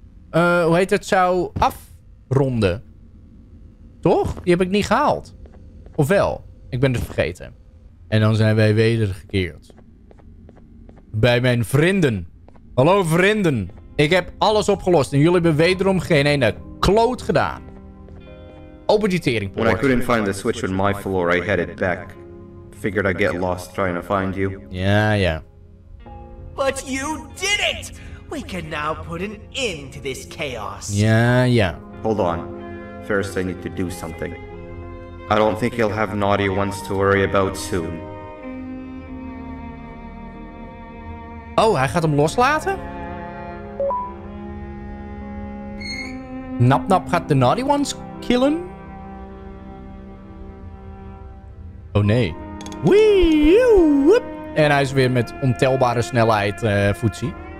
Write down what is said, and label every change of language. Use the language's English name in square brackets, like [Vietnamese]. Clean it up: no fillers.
[Dutch] hoe heet het? Zou afronden. Toch? Die heb ik niet gehaald. Of wel? Ik ben het vergeten. En dan zijn wij wedergekeerd. Bij mijn vrienden. Hallo vrienden. Ik heb alles opgelost. En jullie hebben wederom geen ene kloot gedaan. Open die teringpoort. [English] When I couldn't find the switch on my floor, I headed back. Figured I'd get lost trying to find you. [Dutch] Ja, ja. [English] But you did it! We can now put an end to this chaos. [Dutch] Ja, ja. [English] Hold on. First I need to do something. I don't think he'll have naughty ones to worry about soon. [Dutch] Oh, hij gaat hem loslaten? Nap Nap gaat de naughty ones killen? Oh nee. Wee, woep. En hij is weer met ontelbare snelheid footsie.